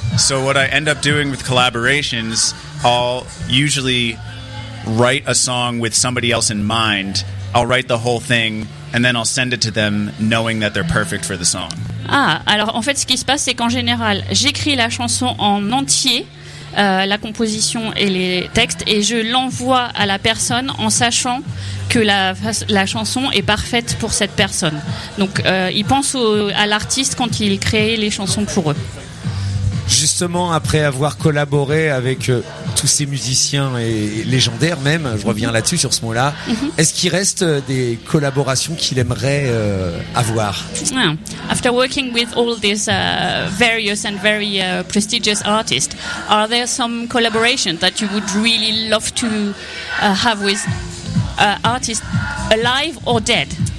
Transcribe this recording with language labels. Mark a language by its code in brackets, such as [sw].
[en] So what I end up doing with collaborations, I'll usually write a song with somebody else in mind. I'll write the whole thing and then I'll send it to them knowing that they're perfect for the song. [fr] Ah, alors en fait ce qui se passe c'est qu'en général, j'écris la chanson en entier. La composition et les textes et je l'envoie à la personne en sachant que la chanson est parfaite pour cette personne. Donc il pense à l'artiste quand il crée les chansons pour eux. Justement, après avoir collaboré avec tous ces musiciens et légendaires même, je reviens là-dessus sur ce mot-là, est-ce qu'il reste des collaborations qu'il aimerait avoir? [en] After working with all these various and very prestigious artists, are there some collaborations that you would really love to have with artists alive or dead?